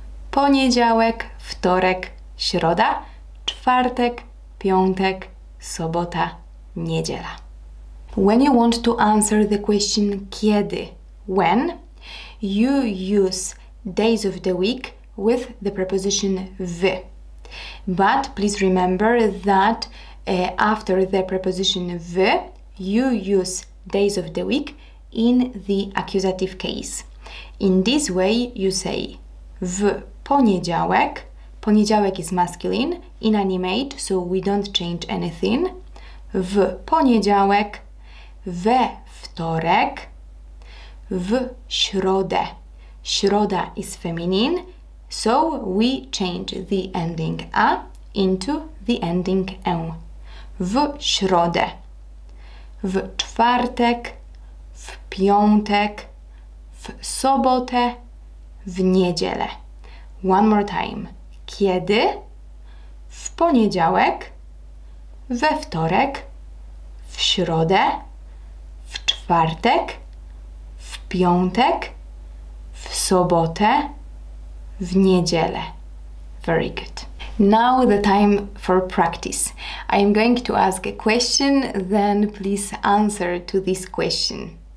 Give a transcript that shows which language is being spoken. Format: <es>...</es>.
<pl>Poniedziałek, wtorek, środa, czwartek, piątek, sobota, niedziela.</pl> <en>When you want to answer the question kiedy, when, you use days of the week with the preposition w. But please remember that after the preposition w, you use days of the week in the accusative case. In this way, you say</en> <pl>w poniedziałek.</pl> <en>Poniedziałek is masculine, inanimate, so we don't change anything.</en> <pl>W poniedziałek, we wtorek, w środę.</pl> <en>Środa is feminine, so we change the ending a into the ending ę.</en> <pl>W środę, w czwartek, w piątek, w sobotę, w niedzielę.</pl> <en>One more time.</en> <pl>Kiedy? W poniedziałek, we wtorek, w środę, w czwartek, w piątek, w sobotę, w niedzielę.</pl> <en>Very good. Now the time for practice. I am going to ask a question, then please answer to this question.</en>